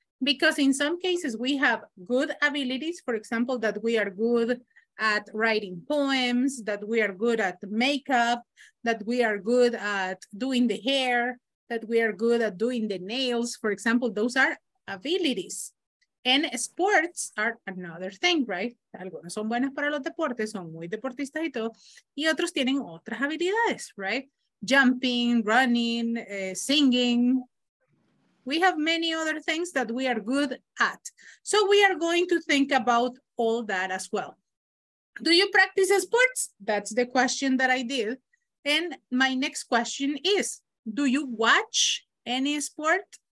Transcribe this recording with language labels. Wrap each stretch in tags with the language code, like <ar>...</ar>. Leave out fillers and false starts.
<en>Because in some cases we have good abilities, for example, that we are good at writing poems, that we are good at makeup, that we are good at doing the hair, that we are good at doing the nails, for example, those are abilities. And sports are another thing, right?</en> <es>Algunos son buenos para los deportes, son muy deportistas y todo, y otros tienen otras habilidades,</es> <en>right? Jumping, running, singing. We have many other things that we are good at. So we are going to think about all that as well. Do you practice sports? That's the question that I did. And my next question is, do you watch any sport?</en>